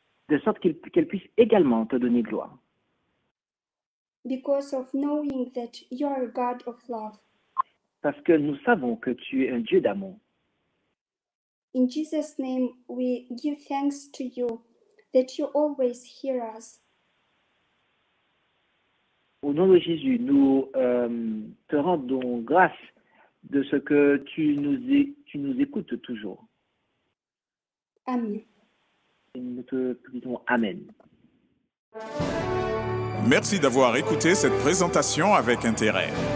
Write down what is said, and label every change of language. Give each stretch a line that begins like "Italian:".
French: De sorte qu'elles puissent également te donner gloire.
English: Because of knowing that you are a God of love.
French: Parce que nous savons que tu es un Dieu d'amour.
English: In Jesus' name, we give thanks to you that you always hear us.
French: Au nom de Jésus, nous te rendons grâce de ce que tu nous écoutes toujours.
English: Amen.
French: Et nous te prions, Amen. Merci d'avoir écouté cette présentation avec intérêt.